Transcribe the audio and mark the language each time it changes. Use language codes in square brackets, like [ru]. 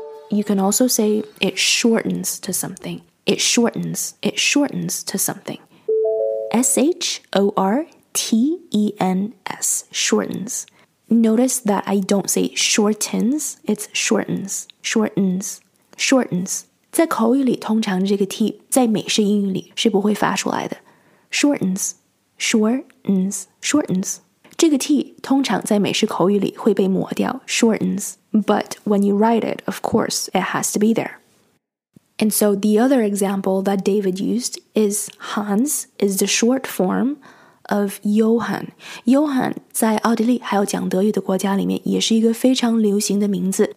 [en] You can also say it shortens to something. It shortens to something. S-H-O-R-T-E-N-S, shortens. Notice that I don't say shortens, it's shortens, shortens, shortens. [zh] 在口语里通常这个 T 在美式英语里是不会发出来的。 [en] Shortens, shortens, shortens. [zh] 这个 T 通常在美式口语里会被抹掉 [en] shortens, but when you write it, of course, it has to be there. And so the other example that David used is Hans is the short form of Johann. [zh] Johann 在奥地利还有讲德语的国家里面也是一个非常流行的名字。